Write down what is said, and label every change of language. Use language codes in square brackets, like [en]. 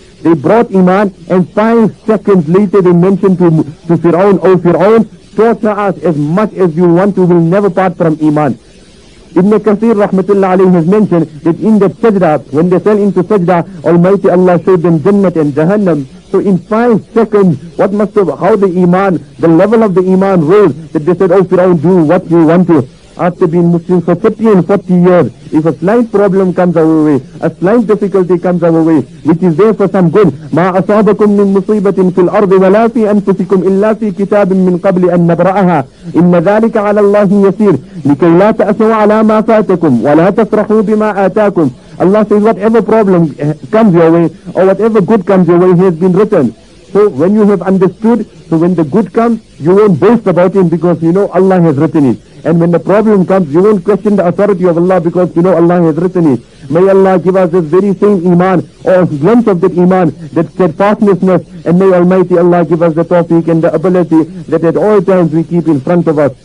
[en] They brought Iman and 5 seconds later they mentioned to Fir'aun, oh Fir'aun, torture us as much as you want to, we'll never part from Iman. Ibn Kathir rahmatullah alayhi has mentioned that in that sajda, when they fell into sajda, Almighty Allah showed them Jannat and Jahannam. So in 5 seconds, what must have, how the Iman, the level of the Iman rose, that they said, oh Fir'aun, do what you want to. After being Muslim for 30 and 40 years, if a slight problem comes our way, a slight difficulty comes our way, which is there for some good, [ar] مَا أَصَابَكُمْ مِنْ مُصِيبَةٍ فِي الْأَرْضِ وَلَا فِي أَنفُسِكُمْ إِلَّا فِي كِتَابٍ مِّنْ قَبْلِ أَن نَبْرَأَهَا إِنَّ ذَلِكَ عَلَى اللَّهِ يَسِيرٌ لِكَيْ لَا تَأْسَوْا عَلَى مَا فَاتَكُمْ وَلَا تَفْرَحُوا بِمَا آتَاكُمْ. [en] Allah says, whatever problem comes your way, or whatever good comes your way, has been written. So when you have understood, so when the good comes, you won't boast about it because you know Allah has written it. And when the problem comes, you won't question the authority of Allah because you know Allah has written it. May Allah give us this very same Iman, or a glimpse of that Iman, that steadfastness, and may Almighty Allah give us the tawfiq and the ability that at all times we keep in front of us.